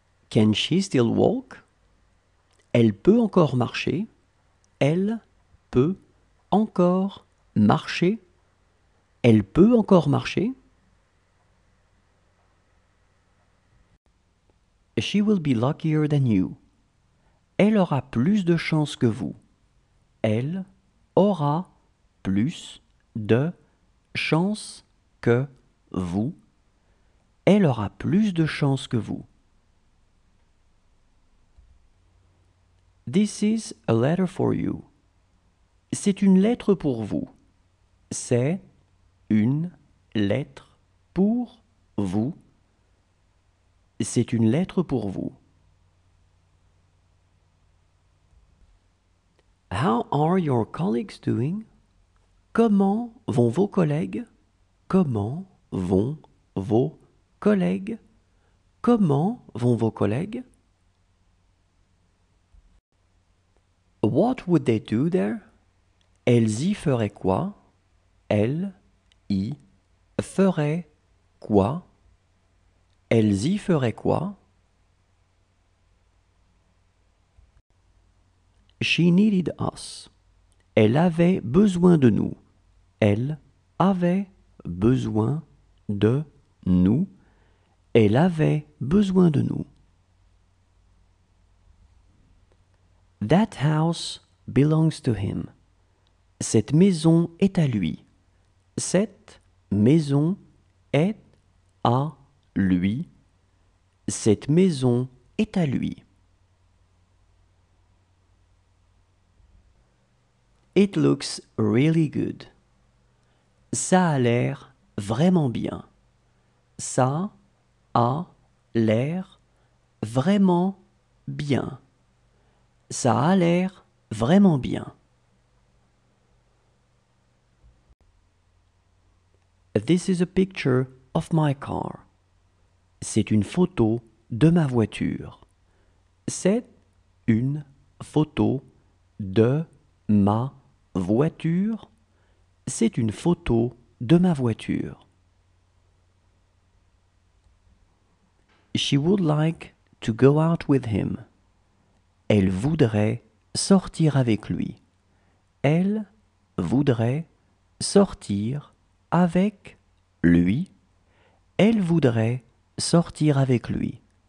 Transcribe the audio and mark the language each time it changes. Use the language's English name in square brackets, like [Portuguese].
[English] Can she still walk? [French] Elle peut encore marcher. Elle peut encore marcher. Elle peut encore marcher. [English] She will be luckier than you. [French] Elle aura plus de chance que vous. Elle aura plus de chance que vous. Elle aura plus de chance que vous. [English] This is a letter for you. [French] C'est une lettre pour vous. C'est une lettre pour vous. C'est une lettre pour vous. [English] How are your colleagues doing? [French] Comment vont vos collègues? Comment vont vos collègues? Comment vont vos collègues? [English] What would they do there? [French] Elles y feraient quoi? Elles y feraient quoi? Elles y feraient quoi? [English] She needed us. [French] Elle avait besoin de nous. Elle avait besoin de nous. Elle avait besoin de nous. [English] That house belongs to him. [French] Cette maison est à lui. Cette maison est à lui. Cette maison est à lui. [English] It looks really good. [French] Ça a l'air vraiment bien. Ça a l'air vraiment bien. Ça a l'air vraiment bien. [English] This is a picture of my car. [French] C'est une photo de ma voiture. C'est une photo de ma voiture. C'est une photo de ma voiture. [English] She would like to go out with him. [French] Elle voudrait sortir avec lui. Elle voudrait sortir avec lui. Elle voudrait sortir avec lui.